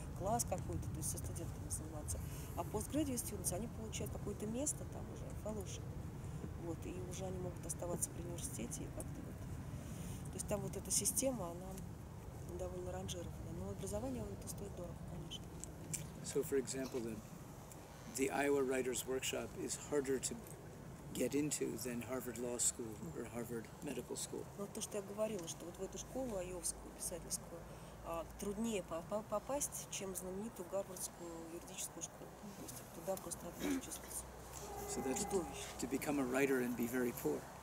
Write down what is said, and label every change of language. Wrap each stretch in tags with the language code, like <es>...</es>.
<ru>Класс какой-то, то есть со студентами заниматься. А postgraduate students, они получают какое-то место там уже, fellowship. Вот, и уже они могут оставаться при университете и как-то вот. То есть там вот эта система, она довольно ранжированная. Но образование это стоит дорого, конечно.</ru> <en>So, for example, the Iowa Writers Workshop is harder to get into than Harvard Law School or Harvard Medical School.</en> <ru>Ну, то, что я говорила, что вот в эту школу айовскую, писательскую, труднее попасть, чем знаменитую Гарвардскую юридическую школу. То есть туда просто отдельно числится.</ru> <en>So that's to become a writer and be very poor.</en>